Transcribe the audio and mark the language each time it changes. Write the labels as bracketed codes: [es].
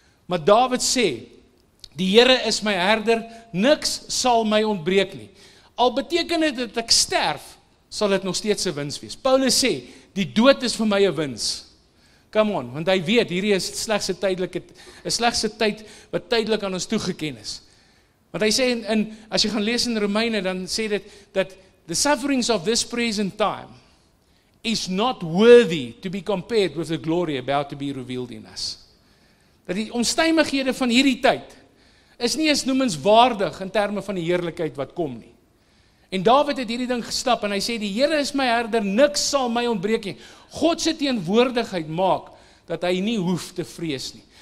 [af] Maar Dawid sê, die Here is my herder, niks sal my ontbreek nie. Al beteken dit dat ek sterf, sal dit nog steeds 'n wins wees. Paulus sê, die dood is vir my 'n wins. Come on, want hy weet, hierdie is slegs 'n tydelike, tyd wat tydelik aan ons toegeken is. Want hy sê, in as jy gaan lees in Romeine, dan sê dit, dat [en] the sufferings of this present time is not worthy to be compared with the glory about to be revealed in us. [af] Dat die omstuimighede van hierdie tyd is nie eens noemenswaardig in terme van die heerlikheid wat kom nie. En Dawid het hierdie ding gestap en hy sê, die Here is my herder, niks sal my ontbreek nie. God se teenwoordigheid maak dat hy nie hoef te vrees nie.